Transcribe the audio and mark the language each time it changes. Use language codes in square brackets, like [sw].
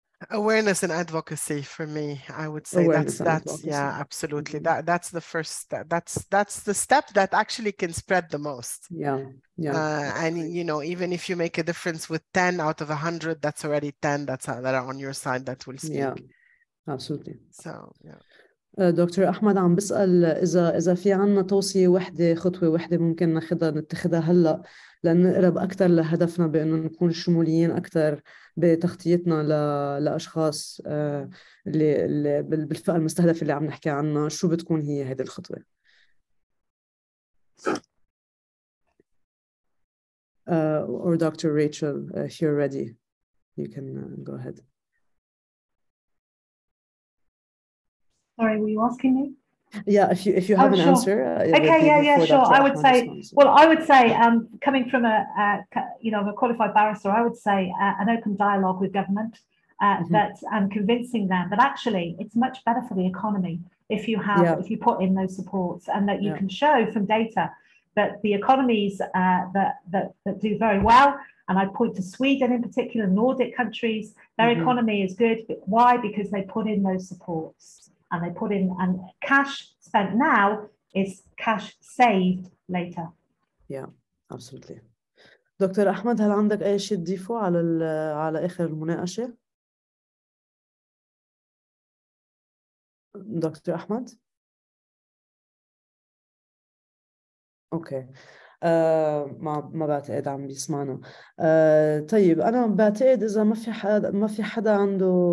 [en] Awareness and advocacy, for me, I would say that's absolutely mm-hmm. that's the first step. That's the step that actually can spread the most. And you know, even if you make a difference with 10 out of 100, that's already 10 that are on your side that will speak. Yeah, absolutely. So yeah, [ar] دكتور أحمد عم بسأل إذا في عنا توصية واحدة خطوة واحدة ممكن نتخذها هلأ لنقرب أكثر لهدفنا بأنه نكون شموليين أكثر بتغطيتنا لأشخاص اللي بالفئة المستهدفة اللي عم نحكي عنها، شو بتكون هي هذه الخطوة؟ [en] Or Dr. Rachel, if you're ready, you can go ahead. Sorry, were you asking me? Yeah, if you have an answer. Okay, sure. I would say, coming from a qualified barrister, I would say an open dialogue with government mm-hmm. that I'm convincing them that actually it's much better for the economy if you have, yeah. if you put in those supports, and that you yeah. can show from data that the economies that do very well, and I point to Sweden in particular, Nordic countries, their mm-hmm. economy is good. Why? Because they put in those supports. And they put in cash spent now is cash saved later. Yeah, absolutely. Dr. [ar] Ahmed, هل عندك أي شيء تضيفه على على آخر المناقشة؟ دكتور أحمد؟ أوكي. ما بعتقد عم بيسمعنا. طيب أنا بعتقد إذا ما في حدا عنده.